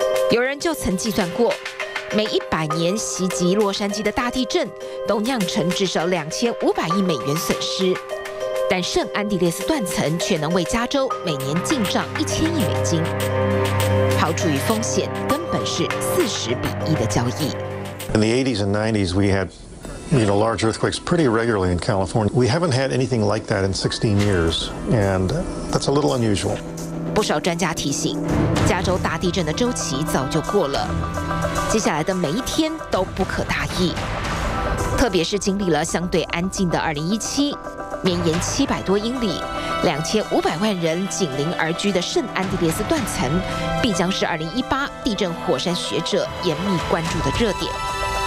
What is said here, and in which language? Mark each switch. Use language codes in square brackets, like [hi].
[zh] 有人就曾计算过，每100年袭击洛杉矶的大地震都酿成至少2500亿美元损失，但圣安地列斯断层却能为加州每年进账1000亿美金，抛出于风险根本是40比1的交易。 [en] In the 80s and 90s, we had, you know, large earthquakes pretty regularly in California. We haven't had anything like that in 16 years, and that's a little unusual. [zh] 不少专家提醒，加州大地震的周期早就过了。接下来的每一天都不可大意，特别是经历了相对安静的2017，绵延700多英里、2500万人紧邻而居的圣安地列斯断层，必将是2018地震火山学者严密关注的热点。